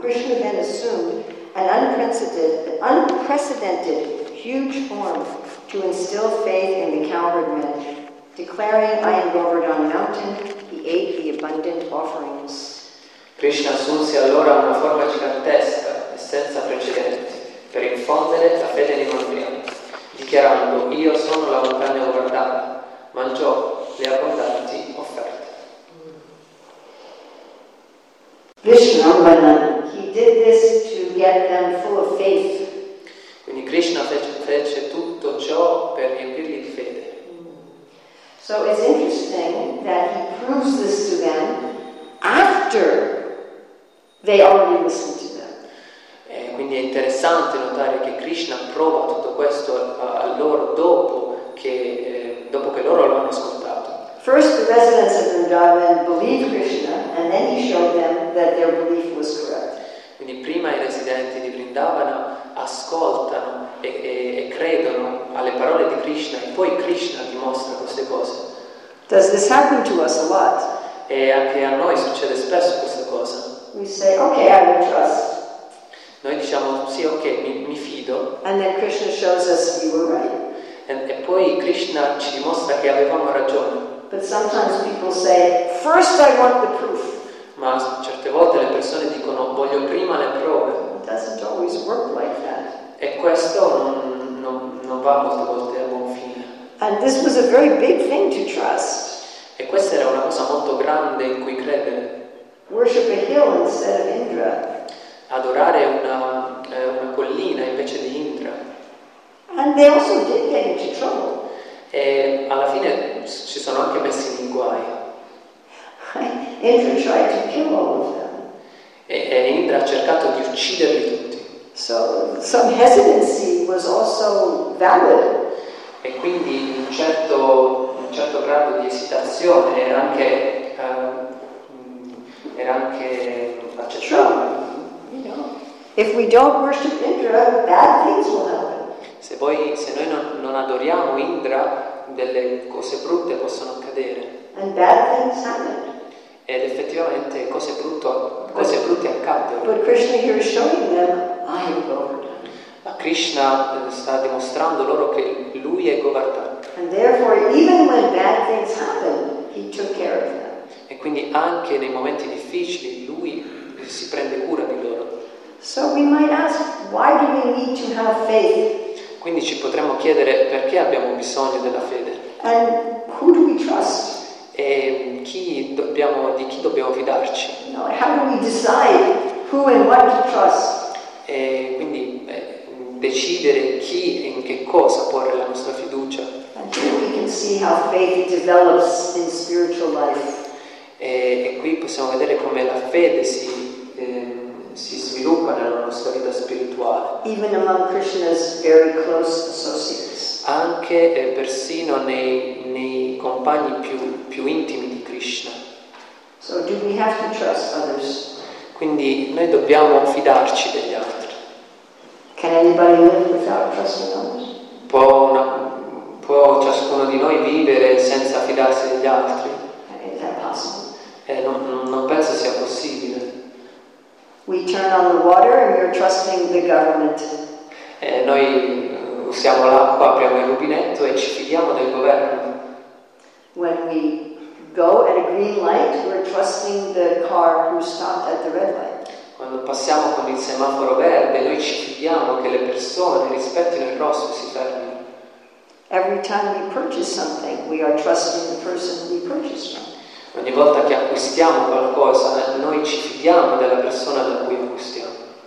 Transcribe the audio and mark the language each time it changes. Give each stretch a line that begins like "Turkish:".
English: Krishna then assumed an unprecedented huge form to instill faith in the cowherd men, declaring, I am Govardhan Mountain, he ate the abundant offerings.
Italian: Krishna assunse allora una forma gigantesca e senza precedenti per infondere la fede nei mandriani, dichiarando, io sono la montagna Govardhana, mangiò le abbondanti offerte.
English: Vishnu, he did this to get them full of faith.
Italian: Quindi Krishna fece tutto ciò per riempirli di fede.
English: So it's interesting that he proves this to them after they already listened to them.
Italian: Quindi è interessante notare che Krishna prova tutto questo a loro dopo che loro lo hanno ascoltato.
English: First the residents of Vrindavan believed Krishna and then he showed them that their belief was correct.
Italian: Quindi prima i residenti di Vrindavana ascoltano e credono alle parole di Krishna e poi Krishna dimostra queste cose.
English: Does this happen to us a lot?
Italian: E anche a noi succede spesso questa cosa.
English: We say, okay, I will trust.
Italian: Noi diciamo sì, ok, mi fido.
English: And then Krishna shows us we were right.
Italian: E poi Krishna ci dimostra che avevamo ragione.
English: But sometimes people say, first I want the proof.
Italian: Ma certe volte le persone dicono voglio prima le prove.
English: Doesn't always work like that.
Italian: E questo non va molte volte a buon fine.
English: And this was a very big thing to trust.
Italian: E questa era una cosa molto grande in cui credere.
English: Worship a hill instead of Indra.
Italian: Adorare una collina invece di Indra.
English: And they also did get into trouble.
Italian: E alla fine si sono anche messi in guai.
English: Indra tried to kill all of them.
Italian: E Indra ha cercato di ucciderli tutti.
English: So some hesitancy was also valid.
Italian: E quindi un certo grado di esitazione era anche accettabile.
English: If we don't worship Indra, bad things will happen.
Italian: Se noi non adoriamo Indra, delle cose brutte possono accadere.
English: And bad things happen.
Italian: Ed effettivamente cose brutte accadono.
English: But Krishna here is showing them, I am Lord.
Italian: Ma Krishna sta dimostrando loro che lui è Govardhan.
English: And therefore, even when bad things happen, he took care of them.
Italian: E quindi anche nei momenti difficili, lui si prende cura di loro.
English: So we might ask, why do we need to have faith?
Italian: Quindi ci potremmo chiedere perché abbiamo bisogno della fede.
English: And who do we trust?
Italian: E di chi dobbiamo fidarci?
English: No, how do we decide who and what to trust?
Italian: E quindi decidere chi e in che cosa porre la nostra fiducia.
English: And here we can see how faith develops in spiritual life.
Italian: E qui possiamo vedere come la fede si sviluppa nella nostra vita spirituale.
English: Even among Krishna's very close associates.
Italian: Anche persino nei compagni più intimi di Krishna.
English: So do we have to trust others?
Italian: Quindi noi dobbiamo fidarci degli altri.
English: Can anybody live without trusting others?
Italian: Può ciascuno di noi vivere senza fidarsi degli altri?
English: Is that possible?
Italian: Non penso sia possibile.
English: We turn on the water and we're trusting the government.
Italian: Noi usiamo l'acqua, apriamo il rubinetto e ci fidiamo del governo.
English: When we go at a green light, we're trusting the car who stopped at the red light.
Italian: Quando passiamo con il semaforo verde, noi ci fidiamo che le persone rispettino il rosso e si fermino.
English: Every time we purchase something, we are trusting the person we purchase from.
Italian: Ogni volta che acquistiamo qualcosa, noi ci fidiamo della persona da cui acquistiamo.